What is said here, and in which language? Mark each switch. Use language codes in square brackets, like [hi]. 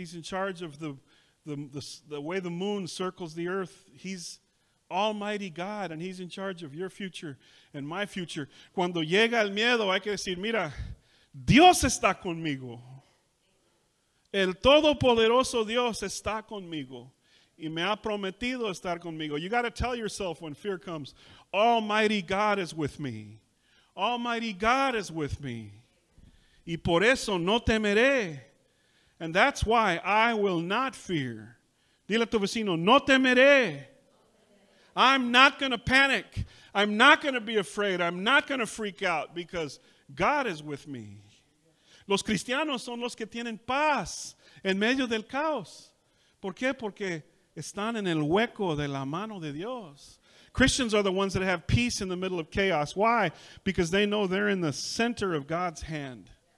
[en] He's in charge of the way the moon circles the earth. He's almighty God, and he's in charge of your future and my future. [es] Cuando llega el miedo, hay que decir, mira, Dios está conmigo. El todopoderoso Dios está conmigo. Y me ha prometido estar conmigo. [en] You got to tell yourself when fear comes, almighty God is with me. Almighty God is with me. [es] y por eso no temeré. [en] And that's why I will not fear. [es] Dile a tu vecino, no temeré. [en] I'm not going to panic. I'm not going to be afraid. I'm not going to freak out because God is with me. [es] Los cristianos son los que tienen paz en medio del caos. ¿Por qué? Porque están en el hueco de la mano de Dios. [en] Christians are the ones that have peace in the middle of chaos. Why? Because they know they're in the center of God's hand.